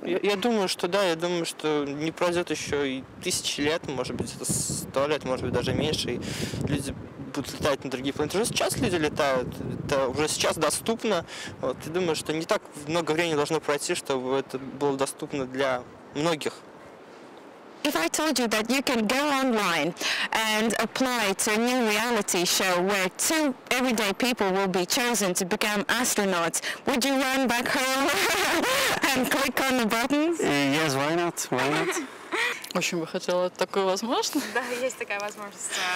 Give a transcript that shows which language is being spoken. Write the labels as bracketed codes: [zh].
[ru] Да, я думаю, что да, я думаю, что не пройдет еще и тысячи лет, может быть, это 100 лет, может быть, даже меньше, и люди будут летать на другие планеты. Уже сейчас люди летают, это уже сейчас доступно. Вот, я думаю, что не так много времени должно пройти, чтобы это было доступно для многих. [en] If I told you that you can go online and apply to a new reality show where two everyday people will be chosen to become astronauts, would you run back home and click on the buttons? Yes, why not? Why not? [ru] Очень бы хотела такую возможность. Да, есть такая возможность.